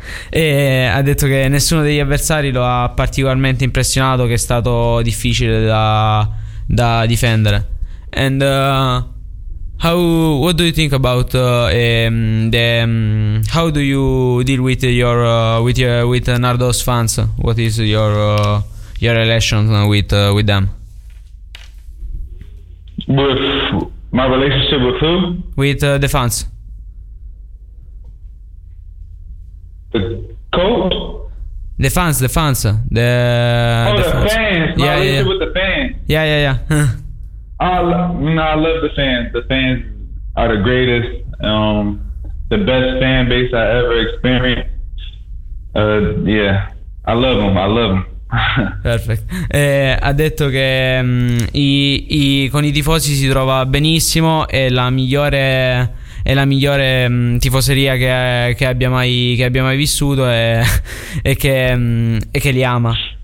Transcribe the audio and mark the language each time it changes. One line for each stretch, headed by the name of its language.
Italian: E ha detto che nessuno degli avversari lo ha particolarmente impressionato, che è stato difficile da difendere.
English: And what do you think about how do you deal with your Nardò's fans? What is your relation with them? With my relationship with who? With the fans. The coach? The fans. Fans. My relationship with the fans. Yeah. I love the fans. The fans are the greatest, the best fan base I ever experienced. Yeah, I love them. Perfect.
Italian: Ha detto che con i tifosi si trova benissimo, è la migliore tifoseria che abbia mai vissuto e che li ama.